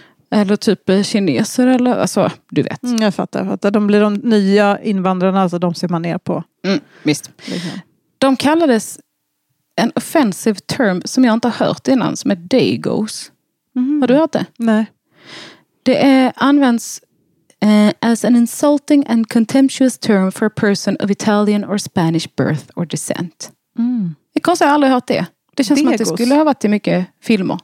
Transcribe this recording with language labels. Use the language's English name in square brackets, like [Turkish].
[Swedish] Eller typ kineser eller alltså, du vet. Mm, jag fattar. De blir de nya invandrarna, alltså de ser man ner på. Mm, visst. De kallades en [English] offensive term [Swedish] som jag inte har hört innan, som är dagos. Mm. Har du hört det? Nej. Det används [English] as an insulting and contemptuous term for a person of Italian or Spanish birth or descent. Mm. [Swedish] Det kanske jag aldrig hört det. Det känns som att det skulle ha varit i mycket filmer.